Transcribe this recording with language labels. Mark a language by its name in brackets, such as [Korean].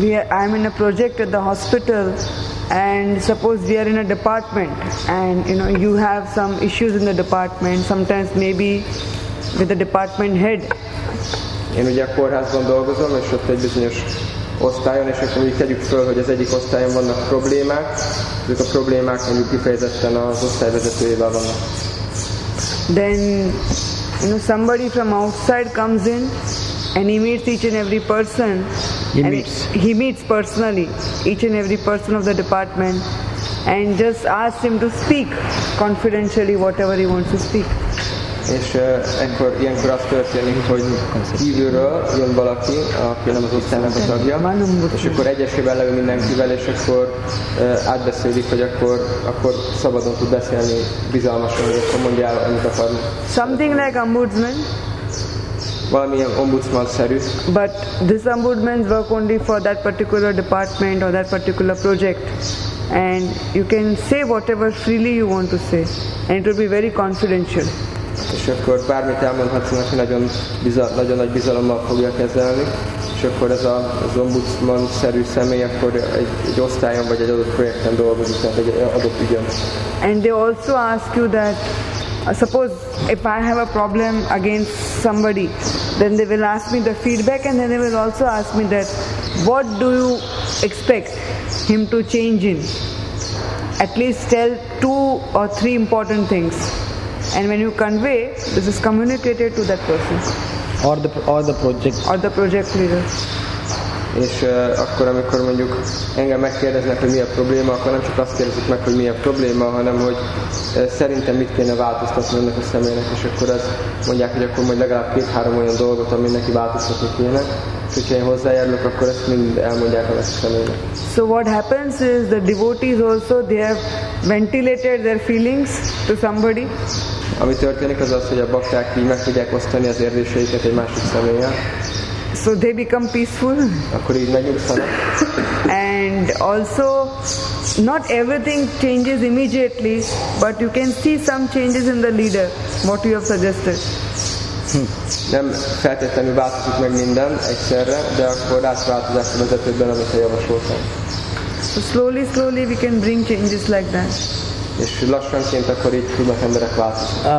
[English] I'm in a project at the hospital, and suppose we are in a department, and you know, you have some issues in the department, sometimes maybe with the department head. [Hungarian] Én ugye a kórházban dolgozom, és ott egy bizonyos osztályon, és akkor mondjuk tegyük föl, hogy az egyik osztályon vannak problémák, ezek a problémák mondjuk kifejezetten az osztályvezetőjével vannak. [English] Then, you know, somebody from outside comes in, and he meets each and every person. He meets personally each and every person of the department, and just asks him to speak confidentially whatever he wants to speak. [Hungarian] És ekkor ilyenkor az történik, hogy kívülről jön valaki, aki nem az osztályának a tagja, és akkor egyesével leül mindenkivel, és akkor átbeszélik, hogy akkor szabadon tud beszélni bizalmasan, hogy akkor mondja el, amit akarnak. [English] Something like ombudsman. [Hungarian] Valamilyen ombudsman-szerű. [English] But this ombudsman work only for that particular department or that particular project. And you can say whatever freely you want to say. And it will be very confidential. [Hungarian] És akkor bármit elmondhatsz, aki nagyon nagy bizalommal fogja kezelni, és akkor ez az ombudsman-szerű személy akkor egy osztályon vagy egy adott projekten dolgozik, tehát egy adott ügyön. [English] And they also ask you that, suppose if I have a problem against somebody, then they will ask me the feedback, and then they will also ask me that, what do you expect him to change in? At least tell two or three important things. And when you convey, this is communicated to that person. Or the project. Or the project leader. [Hungarian] És akkor, amikor mondjuk engem megkérdeznek, hogy mi a probléma, akkor nem csak azt kérdezik meg, hogy mi a probléma, hanem hogy szerintem mit kéne változtatni ennek a személynek, és akkor ez mondják, hogy akkor majd legalább 2-3 olyan dolgot, ami neki változtatni kéne. És hogyha én hozzájárulok, akkor ezt mind elmondják a személynek. [English] So what happens is the devotees also, they have ventilated their feelings to somebody. [Hungarian] Ami történik az az, hogy a bakták így meg tudják osztani az érzéseiket egy másik személlyel. [English] So they become peaceful. [Hungarian] Akkor így megnyugszanak. [English] And also, not everything changes immediately, but you can see some changes in the leader, what you have suggested. [Hungarian] Nem feltétlenül változik meg minden egyszerre, de akkor látsz változást a vezetőben, amit javasoltam. [English] So slowly, slowly we can bring changes like that. [Hungarian] És lassanként akkor így tudnak emberek változni.